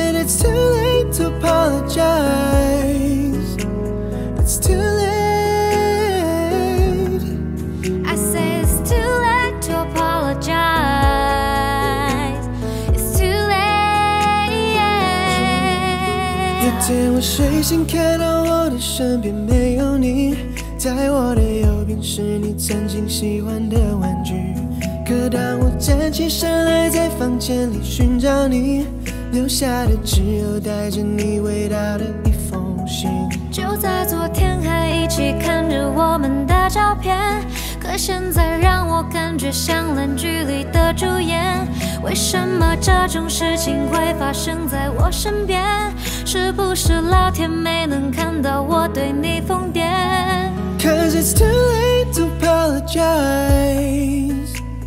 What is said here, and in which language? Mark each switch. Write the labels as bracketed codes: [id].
[en] It's too late to apologize. It's too late. I say it's too late to apologize. It's too late. [zh] 有天我睡醒看到我的身边没有你，在我的右边是你曾经喜欢的玩具。可当我站起身来在房间里寻找你，留下的只有带着你味道的一封信。就在昨天还一起看着我们的照片，可现在让我感觉像烂剧里的主演。为什么这种事情会发生在我身边？是不是老天没能看到我对你疯癫？ [en] Cause it's too late to apologize.